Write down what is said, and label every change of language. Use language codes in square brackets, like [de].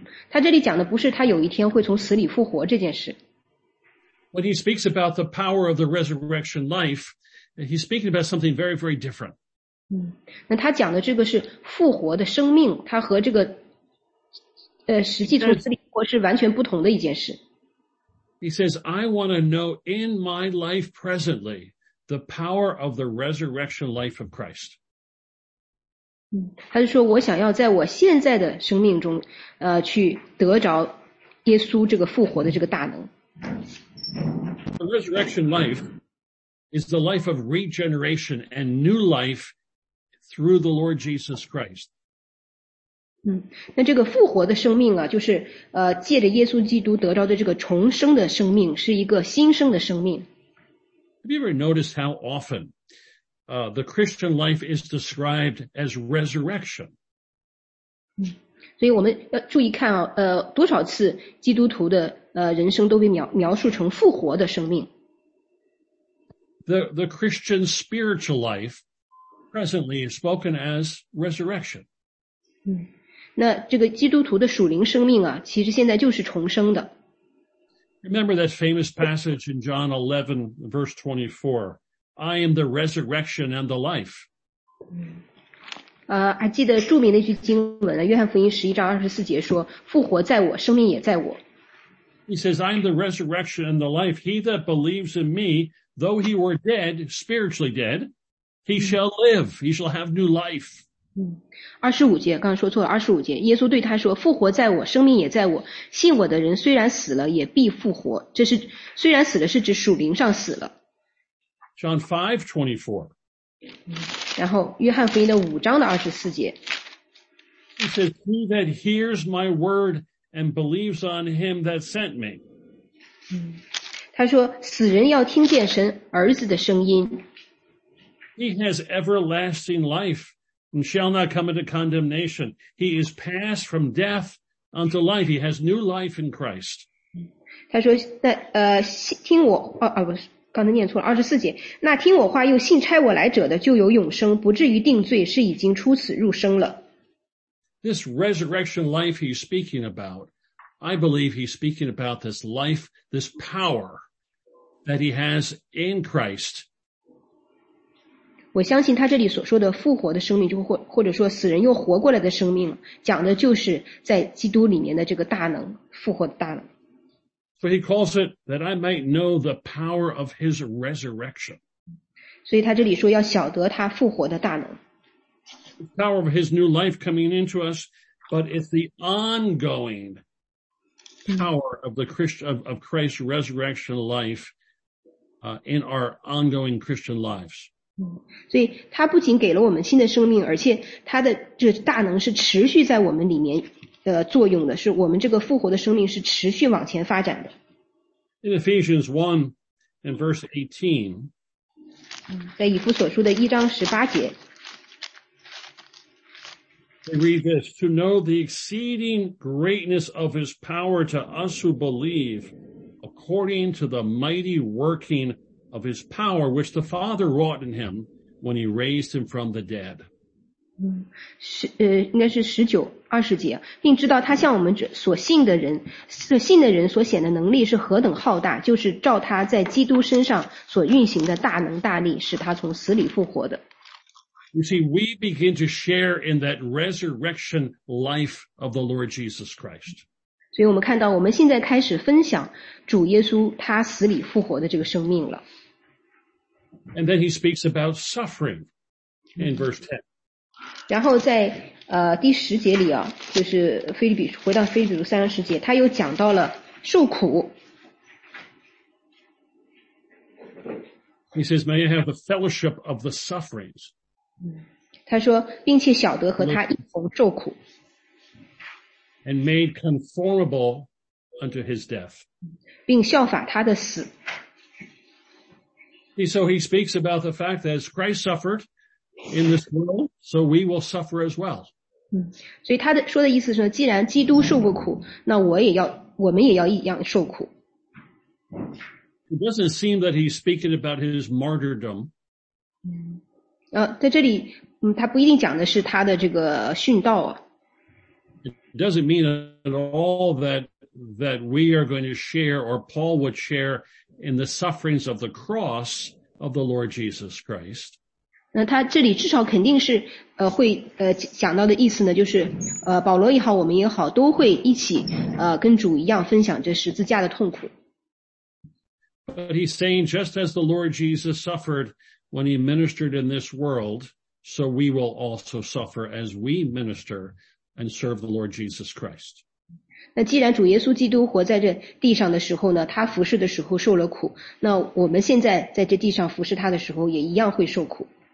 [zh] 他这里讲的不是他有一天会从死里复活这件事。 [en] When he speaks about the power of the resurrection life, he's speaking about something very, very different. [zh] 那他讲的这个是复活的生命，他和这个实际从死里复活是完全不同的一件事。 [en] He says, I want to know in my life presently,the power of the resurrection life of Christ. [zh] 他就说我想要在我现在的生命中去得着耶稣这个复活的这个大能。 [en] The resurrection life is the life of regeneration and new life through the Lord Jesus Christ. [zh] 那这个复活的生命啊，就是借着耶稣基督得着的这个重生的生命，是一个新生的生命。 [en] Have you ever noticed how often the Christian life is described as resurrection? [zh] 所以我们要注意看多少次基督徒的人生都被描述成复活的生命。 [en] The Christian spiritual life presently is spoken as resurrection. [zh] 那这个基督徒的属灵生命啊，其实现在就是重生的。 [en] Remember that famous passage in John 11, verse 24. I am the resurrection and the life. [zh] 还记得著名的一句经文，约翰福音11章24节说，复活在我，生命也在我。 [en] He says, I am the resurrection and the life. He that believes in me, though he were dead, spiritually dead, he shall live. He shall have new life. [zh] 25节，刚刚说错了，25节，耶稣对他说，复活在我，生命也在我，信我的人虽然死了也必复活，这是虽然死了是指属灵上死了。 [en] John 5:24. [zh] 然后约翰福音的五章的24节。 [en] He says, he that hears my word and believes on him that sent me. [zh] 他说死人要听见神儿子的声音。 [en] He has everlasting life. And shall not come into condemnation. He is passed from death unto life. He has new life in Christ. [zh] 他说那听我不是刚才念错了24节。那听我话又信差我来者的就有永生，不至于定罪，是已经出死入生了。 [en] This resurrection life he's speaking about, I believe he's speaking about this life, this power that he has in Christ. [zh] 我相信他这里所说的复活的生命，就或者说死人又活过来的生命，讲的就是在基督里面的这个大能，复活的大能。 [en] So he calls it that I might know the power of his resurrection. [zh] 所以他这里说要晓得他复活的大能。 [en] The power of his new life coming into us, but it's the ongoing power of the Christian, of Christ's resurrection life, in our ongoing Christian lives. [zh] 所以他不仅给了我们新的生命，而且他的这大能是持续在我们里面的作用的，是我们这个复活的生命是持续往前发展的。 [en] In Ephesians 1 and verse 18, [zh] 在以弗所书的一章十八节 [en] we read this, to know the exceeding greatness of his power to us who believe, according to the mighty working of his power, which the Father wrought in him when he raised him from the dead. [zh] 应该是十九二十节，并知道他向我们所信的人，所信的人所显的能力是何等浩大，就是照他在基督身上所运行的大能大力，使他从死里复活的。 [en] You see, we begin to share in that resurrection life of the Lord Jesus Christ. [zh] 所以我们看到，我们现在开始分享主耶稣他死里复活的这个生命了。 [en] And then he speaks about suffering in verse 10. [zh] 然后在第十节里啊，就是腓立比回到腓立比书三十节，他又讲到了受苦。 [en] He says, "May you have the fellowship of the sufferings." [zh] 他说，并且晓得和他一同受苦。 [en] And made conformable unto his death. [zh] 并效法他的死。 [en] So he speaks about the fact that as Christ suffered. In this world, so we will suffer as well. [zh] 所以他的说的意思是，既然基督受过苦，那我也要，我们也要一样受苦。 [en] It doesn't seem that he's speaking about his martyrdom. [zh] 在这里，他不一定讲的是他的这个殉道啊。 [en] It doesn't mean at all that we are going to share or Paul would share in the sufferings of the cross of the Lord Jesus Christ. [zh] 那他这里至少肯定是会讲到的意思呢，就是保罗也好，我们也好，都会一起跟主一样分享这十字架的痛苦。 [en] But he's saying, just as the Lord Jesus suffered when he ministered in this world, so we will also suffer as we minister and serve the Lord Jesus Christ. [zh] 那既然主耶稣基督活在这地上的时候呢，他服侍的时候受了苦，那我们现在在这地上服侍他的时候，也一样会受苦。